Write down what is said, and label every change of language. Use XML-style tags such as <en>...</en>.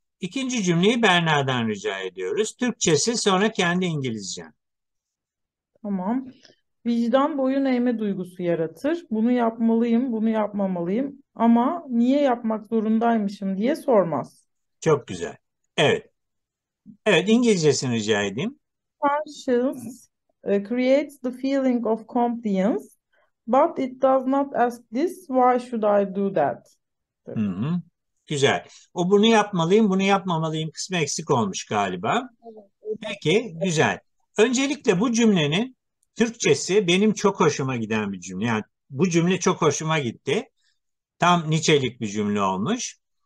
<tr>İkinci cümleyi Berna'dan rica ediyoruz. Türkçesi sonra kendi İngilizcem. Tamam. Vicdan boyun eğme duygusu yaratır. Bunu yapmalıyım, bunu yapmamalıyım ama niye yapmak zorundaymışım diye sormaz. Çok güzel. Evet. Evet, İngilizcesini rica edeyim.</tr> <en>Conscience creates the feeling of compliance, but it does not ask this, why should I do that?</en> <tr>Güzel. O bunu yapmalıyım, bunu yapmamalıyım kısmı eksik olmuş galiba. Peki, güzel. Öncelikle bu cümlenin Türkçesi benim çok hoşuma giden bir cümle. Yani bu cümle çok hoşuma gitti. Tam nicelik bir cümle olmuş.</tr>